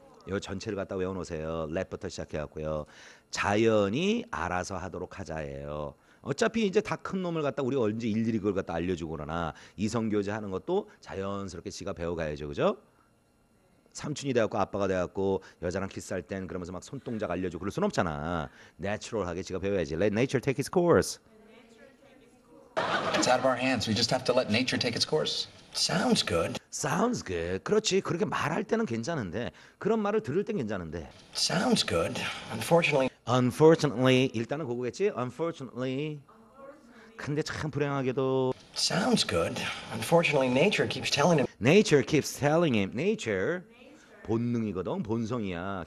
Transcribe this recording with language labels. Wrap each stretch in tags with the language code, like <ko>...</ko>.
<ko>요 전체를 갖다 외워놓으세요 let부터 시작해갖고요 자연이 알아서 하도록 하자예요 어차피 이제 다 큰 놈을 갖다 우리 언제 일일이 그걸 갖다 알려주고 그러나 이성교제 하는 것도 자연스럽게 지가 배워가야죠. 그죠? 삼촌이 돼갖고 아빠가 돼갖고 여자랑 키스할 땐 그러면서 막 손동작 알려주고 그럴 순 없잖아. 내추럴하게 지가 배워야지.</ko> <en>Let nature take its course. It's out of our hands. We just have to let nature take its course. Sounds good. Sounds good.</en> <ko>그렇지. 그렇게 말할 때는 괜찮은데 그런 말을 들을 땐 괜찮은데.</ko> <en>Sounds good. Unfortunately. Unfortunately.</en> <ko>일단은 그거겠지.</ko> <en>Unfortunately. Unfortunately.</en> <ko>근데 참 불행하게도.</ko> <en>Sounds good. Unfortunately, nature keeps telling him. Nature keeps telling him. Nature.</en> <ko>본능이거든. 본성이야.</ko>